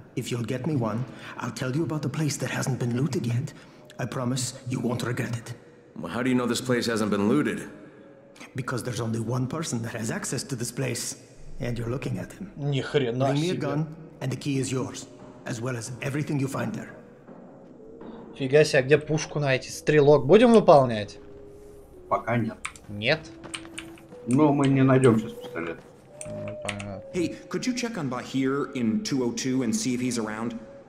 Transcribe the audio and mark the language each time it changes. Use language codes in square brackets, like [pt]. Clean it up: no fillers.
[en] If you'll get me one, I'll tell you about the place that hasn't been looted yet. I promise you won't regret it. Well, how do you know this place hasn't been looted? Because there's only one person that has access to this place, and you're looking at him. [ru] Ни хрена себе. [en] Bring me a gun, and the key is yours, as well as everything you find there. [ru] Фига себе, а где пушку найти? Стрелок будем выполнять? Пока нет. Нет? Ну, мы не найдем сейчас пистолет. Ну, понятно. [en] Hey, could you check on Bahir in 202 and see if he's around?